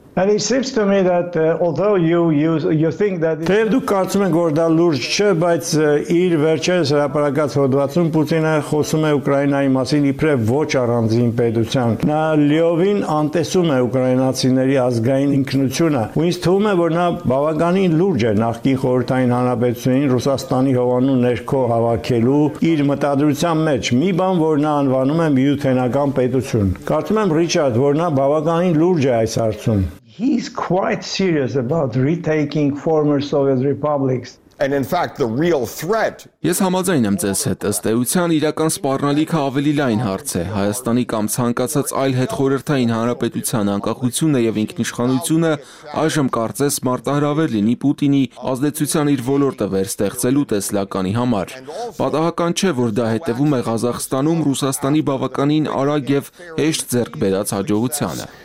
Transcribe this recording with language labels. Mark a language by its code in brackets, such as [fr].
[en] And it seems to me that although you think that [hy] Թե դուք կարծում եք որ դա լուրջ չէ, բայց իր վերջերս հրապարակած հոդվածում Պուտինը խոսում է Ուկրաինայի մասին իբրև ոչ առանձին պետության։ Նա լիովին անտեսում է ուկրաինացիների ազգային ինքնությունը։ Ու ինձ թվում է որ նա բավականին լուրջ է նախկին խորհրդային հանրապետությունին Ռուսաստանի հովանու ներքո հավաքելու իր մտադրության մեջ մի բան, որ նա անվանում է միութենական պետություն։ Կարծում եմ Ռիչարդ, որ նա բավականին լուրջ է այս հարցում։ [en] He's quite serious about retaking former Soviet republics. And in fact, the real threat. [hy] Ես համաձայն եմ ձեզ հետ, ըստ էության իրական սպառնալիքը ավելի լայն հարց է։ Հայաստանի կամ ցանկացած այլ հետխորհրդային հանրապետության անկախությունը եւ ինքնիշխանությունը այժմ կարծես մարտահրավեր լինի Պուտինի ազդեցության իր ոլորտը վերստեղծելու տեսլականի համար։ Պատահական չէ, որ դա հետևում է Ղազախստանում Ռուսաստանի բավականին արագ եւ հեշտ ձեռք բերած հաջողությանը։